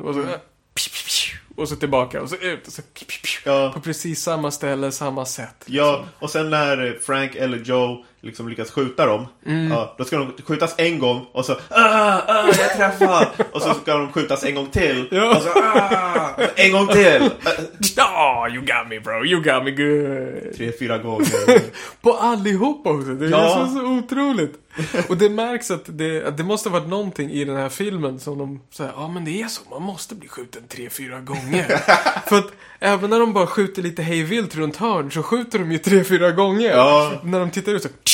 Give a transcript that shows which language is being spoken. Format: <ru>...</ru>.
<sv>Och så, och så tillbaka och så ut och så på precis samma ställe, samma sätt liksom. Ja, och sen när Frank eller Joe liksom lyckas skjuta dem då ska de skjutas en gång och så, jag träffar. Och så ska de skjutas en gång till och så, en gång till.</sv> <en>Oh, you got me bro, you got me good.</en> <sv>3-4 gånger. På allihopa också. Det är så otroligt. Och det märks att det måste ha varit någonting i den här filmen som de säger, men det är så, man måste bli skjuten 3-4 gånger. För att även när de bara skjuter lite hejvilt runt hörn så skjuter de ju 3-4 gånger. Ja. När de tittar ut så...</sv>